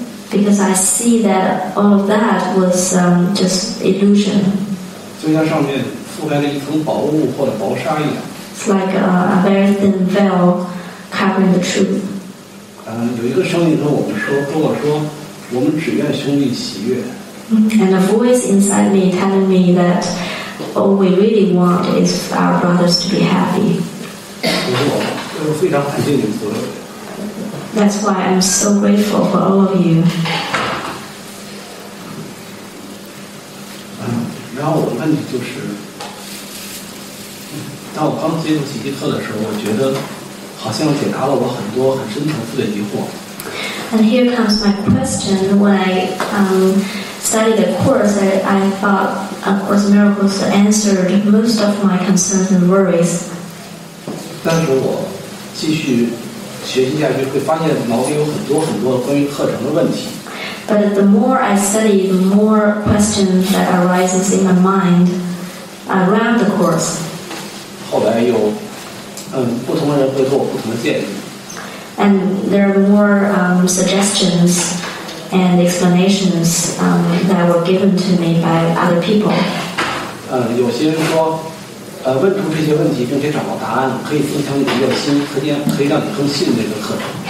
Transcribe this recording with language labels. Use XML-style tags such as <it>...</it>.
<en>Because I see that all of that was just illusion. It's like a very thin veil covering the truth.</en> <zh>有一个声音跟我说，我们只愿兄弟喜悦。</zh> <en>And a voice inside me telling me that all we really want is our brothers to be happy.</en> <zh>我非常感谢你们所有。</zh> <en>That's why I'm so grateful for all of you.</en> <zh>然后我的问题就是，当我刚接触奇迹课的时候，我觉得。好像解答了我很多很深层次的疑惑。</zh> <en>And here comes my question. When I studied the course, I thought Of Course Miracles answered most of my concerns and worries.</en> <zh>但是我继续学习下去，会发现脑子有很多很多关于课程的问题。</zh> <en>But the more I study, the more questions that arises in my mind around the course.</en> <zh>后来又不同的人会给我不同的建议。</zh> <en>And there are more suggestions and explanations that were given to me by other people.</en> <zh>有些人说，问出这些问题并且找到答案，可以增强你的热心，可以让你更信这个课程。</zh>